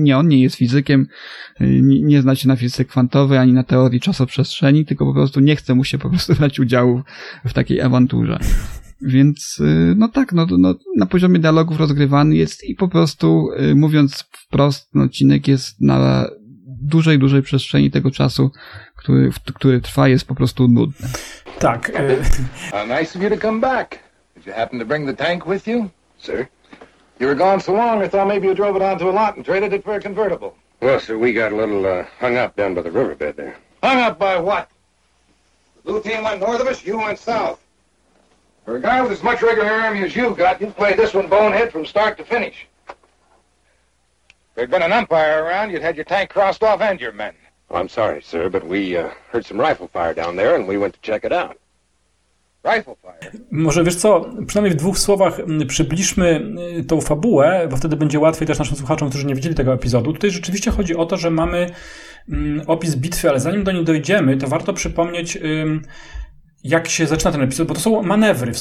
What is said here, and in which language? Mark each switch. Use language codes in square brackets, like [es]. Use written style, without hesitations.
[pl] Nie, on nie jest fizykiem, nie zna się na fizyce kwantowej, ani na teorii czasoprzestrzeni, tylko po prostu nie chce mu się po prostu brać udziału w takiej awanturze. Więc no tak, no, na poziomie dialogów rozgrywany jest i po prostu, mówiąc wprost, no, odcinek jest na dużej, dużej przestrzeni tego czasu, który trwa, jest po prostu nudny. Tak. [en] Nice of you to come back. Did you happen to bring the tank with you? Sir? You were gone so long, I thought maybe you drove it onto a lot and traded it for a convertible. Well, sir, we got a little hung up down by the riverbed there. Hung up by what? The blue team went north of us, you went south. For a guy with as much regular army as you've got, you've played this one bonehead from start to finish. If there'd been an umpire around, you'd had your tank crossed off and your men. Well, I'm sorry, sir, but we heard some rifle fire down there and we went to check it out. [pl] Może wiesz co, przynajmniej w dwóch słowach przybliżmy tą fabułę, bo wtedy będzie łatwiej też naszym słuchaczom, którzy nie widzieli tego epizodu. Tutaj rzeczywiście chodzi o to, że mamy opis bitwy, ale zanim do niej dojdziemy, to warto przypomnieć, jak się zaczyna ten epizod, bo to są manewry.